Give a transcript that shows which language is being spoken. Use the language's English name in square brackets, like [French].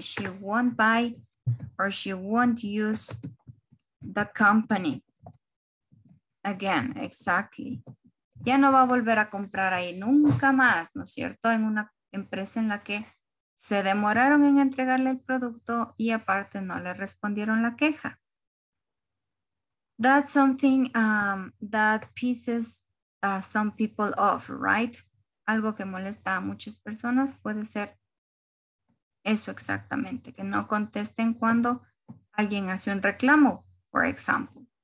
[English] She won't buy or she won't use the company again. Exactly. [Spanish] Ya no va a volver a comprar ahí nunca más, ¿no es cierto? En una empresa en la que se demoraron en entregarle el producto y aparte no le respondieron la queja. [English] That's something that pisses some people off, right? [Spanish] Algo que molesta a muchas personas puede ser eso exactamente, que no contesten cuando alguien hace un reclamo, [English] for example.